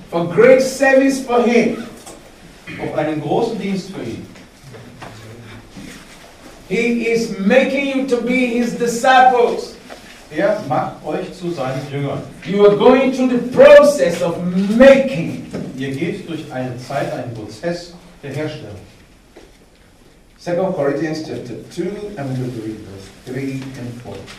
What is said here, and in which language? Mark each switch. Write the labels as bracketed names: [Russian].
[English] For great service for him. [German] Auf einen großen Dienst für ihn. [English] He is making you to be his disciples. [German] Er macht euch zu seinen Jüngern. [English] You are going through the process of making. [German] Ihr geht durch eine Zeit, einen Prozess der Herstellung. [English] 2 Corinthians chapter 2, I'm going to read verse 3 and 4.